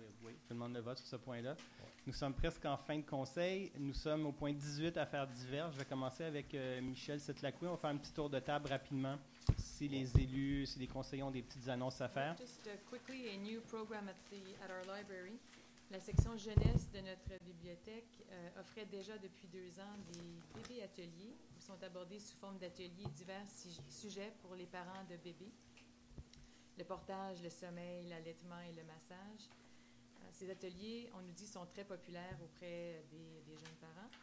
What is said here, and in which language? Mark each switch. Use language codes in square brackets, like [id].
[fr] Oui, je demande le vote sur ce point-là. Nous sommes presque en fin de conseil. Nous sommes au point 18, affaires diverses. Je vais commencer avec Michel Sitlacoué. On va faire un petit tour de table rapidement si les élus, si les conseillers ont des petites annonces à faire. [en] Just quickly, a new program at our library. [fr] La section jeunesse de notre bibliothèque offrait déjà depuis 2 ans des bébés ateliers où sont abordés sous forme d'ateliers divers sujets pour les parents de bébés. Le portage, le sommeil, l'allaitement et le massage. Ces ateliers, on nous dit, sont très populaires auprès des jeunes parents.